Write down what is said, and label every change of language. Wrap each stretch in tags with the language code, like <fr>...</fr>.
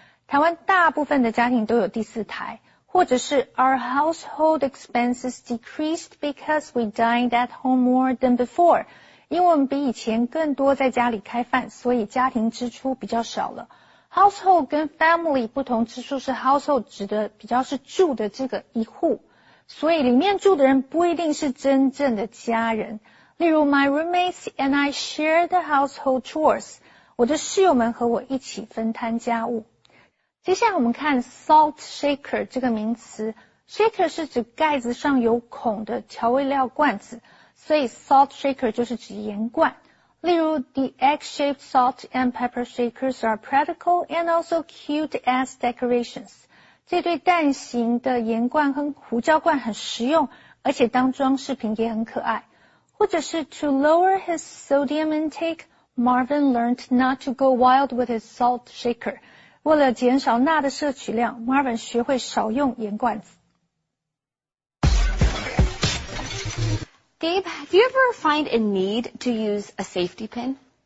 <zh>台湾大部分的家庭都有第四台。或者是</zh> <en>,our household expenses decreased because we dined at home more than before.</en> <zh>因为我们比以前更多在家里开饭，所以家庭支出比较少了。 Household 跟 family 不同之处是 household 指的比较是住的这个一户。所以里面住的人不一定是真正的家人。例如</zh> <en>,my roommates and I share the household chores.</en> <zh>我的室友们和我一起分摊家务。接下来我们看 salt shaker 这个名词。shaker 是指盖子上有孔的调味料罐子。所以 salt shaker 就是指盐罐。例如</zh> <en>,the egg-shaped salt and pepper shakers are practical and also cute as decorations.</en> <zh>这对蛋形的盐罐和胡椒罐很实用，而且当装饰品也很可爱。或者是</zh> <en>to lower his sodium intake, Marvin learned not to go wild with his salt shaker.</en> <zh>为了减少钠的摄取量， Marvin 学会少用盐罐子。</zh> <en>Gabe, do you ever find a need to use a safety pin?</en>